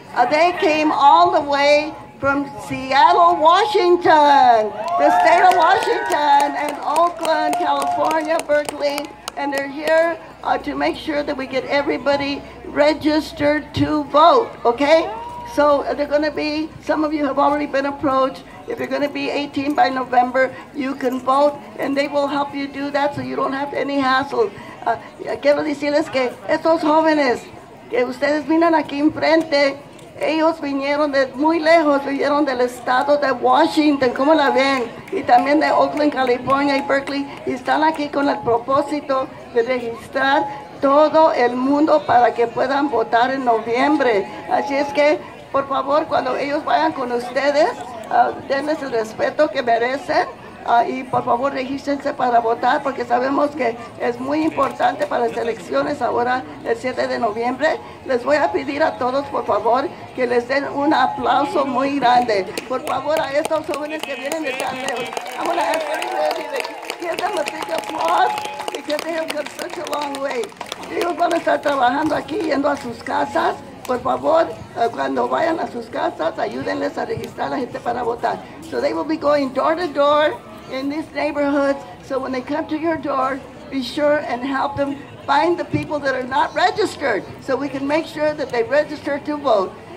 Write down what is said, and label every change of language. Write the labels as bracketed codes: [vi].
[en] They came all the way from Seattle, Washington, the state of Washington, and Oakland, California, Berkeley, and they're here to make sure that we get everybody registered to vote, okay? So they're gonna be, some of you have already been approached. If you're gonna be 18 by November, you can vote, and they will help you do that so you don't have any hassle. [es] Quiero decirles que estos jóvenes que ustedes miran aquí enfrente, ellos vinieron de muy lejos, vinieron del estado de Washington, ¿cómo la ven? Y también de Oakland, California y Berkeley. Y están aquí con el propósito de registrar todo el mundo para que puedan votar en noviembre. Así es que, por favor, cuando ellos vayan con ustedes, denles el respeto que merecen. Y por favor, regístrense para votar, porque sabemos que es muy importante para las elecciones ahora, el 7 de noviembre. Les voy a pedir a todos, por favor, que les den un aplauso muy grande. Por favor, a estos jóvenes que vienen de San Leo. [en] I'm going to ask everybody to give them a big applause, because they have come such a long way. [es] Ellos van a estar trabajando aquí, yendo a sus casas. Por favor, cuando vayan a sus casas, ayúdenles a registrar a la gente para votar. [en] So they will be going door to door in this neighborhood. So when they come to your door, be sure and help them find the people that are not registered so we can make sure that they register to vote.